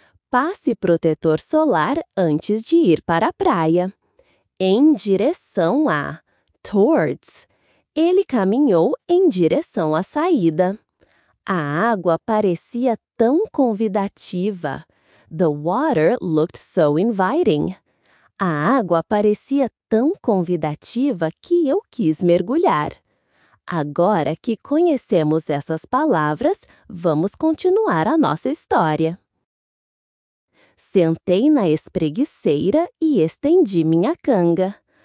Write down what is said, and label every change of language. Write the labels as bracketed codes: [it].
[pt] Passe protetor solar antes de ir para a praia. Em direção a. [en] Towards. [pt] Ele caminhou em direção à saída. A água parecia tão convidativa. [en] The water looked so inviting. [pt] A água parecia tão convidativa que eu quis mergulhar. Agora que conhecemos essas palavras, vamos continuar a nossa história. Sentei na espreguiceira e estendi minha canga.